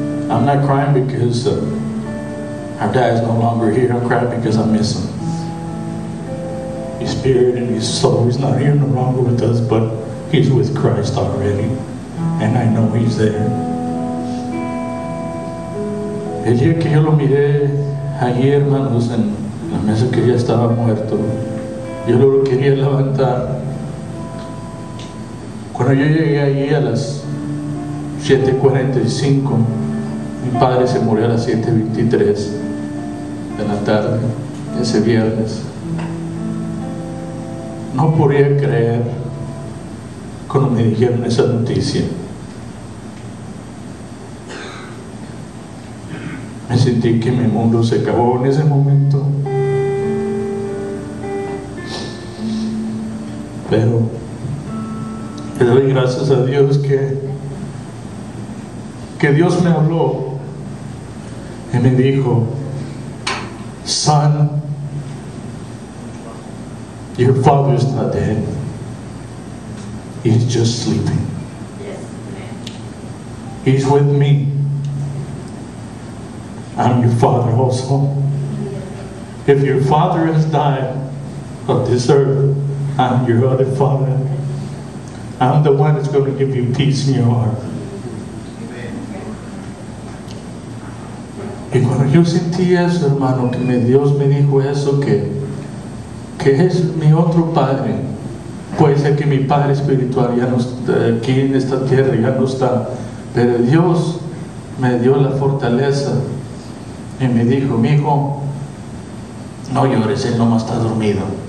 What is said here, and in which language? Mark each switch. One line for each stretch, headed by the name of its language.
English: I'm not crying because our dad is no longer here. I'm crying because I miss him. His spirit and his soul is not here no longer with us, but he's with Christ already. And I know he's there.
Spanish: El día que yo lo miré allí, hermanos, en la mesa que ya estaba muerto, yo lo quería levantar. Cuando yo llegué allí a las 7:45, mi padre se murió a las 7:23 de la tarde, ese viernes. No podía creer cuando me dijeron esa noticia. Me sentí que mi mundo se acabó en ese momento. Pero le doy gracias a Dios que Dios me habló. Y me dijo,
English: son, your father is not dead, he's just sleeping. Yes. He's with me, I'm your father also. If your father has died on this earth, I'm your other father. I'm the one that's going to give you peace in your heart.
Spanish: Y cuando yo sentí eso, hermano, que Dios me dijo eso, que es mi otro padre. Puede ser que mi padre espiritual ya no está aquí en esta tierra, ya no está. Pero Dios me dio la fortaleza y me dijo, mi hijo, no llores, él nomás está dormido.